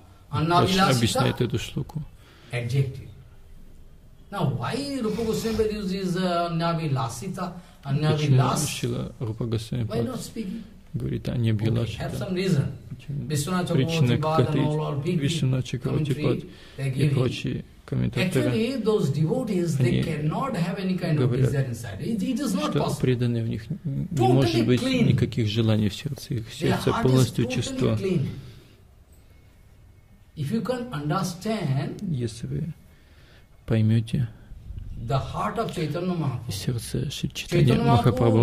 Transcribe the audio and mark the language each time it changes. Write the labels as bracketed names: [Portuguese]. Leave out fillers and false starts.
[Russian] объясняет эту штуку. Почему Шрила Рупа Госвами говорит Аннавиласита? Причина какая-то есть. Вишвана Чакравартипад и прочие. [English] Actually, those devotees, they cannot have any kind of desire inside. It is not possible. [Russian] Преданные в них не может быть никаких желаний в сердце. Их сердце полностью чисто. [English] If you can understand, [Russian] если вы поймете, [English] the heart of Chaitanya Mahaprabhu. [Russian] Сердце Чайтанья Махапрабху.